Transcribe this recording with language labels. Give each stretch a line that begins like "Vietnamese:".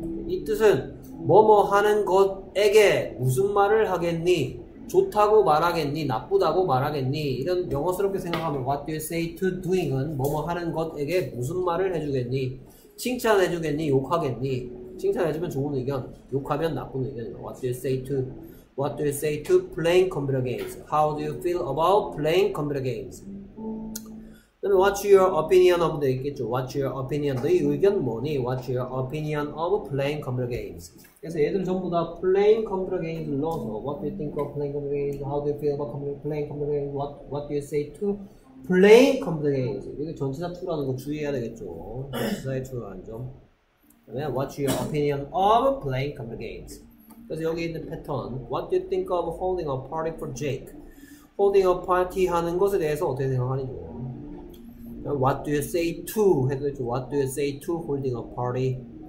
Korean: 이 뜻은 뭐뭐 하는 것에게 무슨 말을 하겠니? 좋다고 말하겠니? 나쁘다고 말하겠니? 이런 영어스럽게 생각하면
English: What do you say to doing
Korean: 은 뭐뭐 하는 것에게 무슨 말을 해주겠니? 칭찬해주겠니? 욕하겠니? 칭찬해주면 좋은 의견, 욕하면 나쁜 의견.
English: What do you say to? What do you say to playing computer games? How do you feel about playing computer games? What's your opinion of the 있겠죠? What's your opinion?
Korean: 너의 의견 뭐니?
English: What's your opinion of playing computer games?
Korean: 그래서 얘들 전부 다
English: playing computer games
Korean: 넣어서
English: What do you think of playing computer games? How do you feel about playing computer games? What do you say to playing computer games?
Korean: 이게 전치사 2라는 거 주의해야 되겠죠? 전치사의 2라는 점.
English: 그러면 What's your opinion of playing computer games?
Korean: 그래서 여기 있는 패턴
English: What do you think of holding a party for Jake? Holding a party
Korean: 하는 것에 대해서 어떻게 생각하니?
English: What do you say to? 해도 What do you say to holding a party?